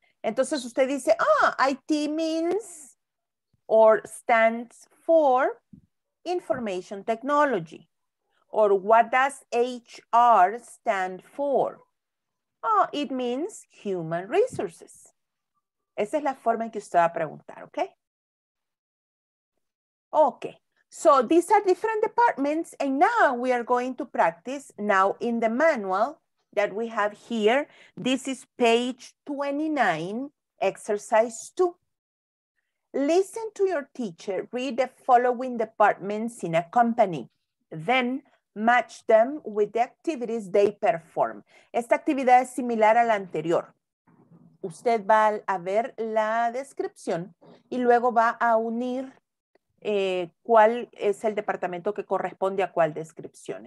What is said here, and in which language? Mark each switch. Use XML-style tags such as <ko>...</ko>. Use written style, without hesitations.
<es>Entonces usted dice,</es> <en>IT means or stands for information technology. Or what does HR stand for? It means human resources.</en> <es>Esa es la forma en que usted va a preguntar, ¿ok?</es> <en>Ok, so these are different departments and now we are going to practice. Now in the manual, that we have here. This is page 29, exercise 2. Listen to your teacher read the following departments in a company. Then match them with the activities they perform.</en> <es>Esta actividad es similar a la anterior. Usted va a ver la descripción y luego va a unir cuál es el departamento que corresponde a cuál descripción.</es>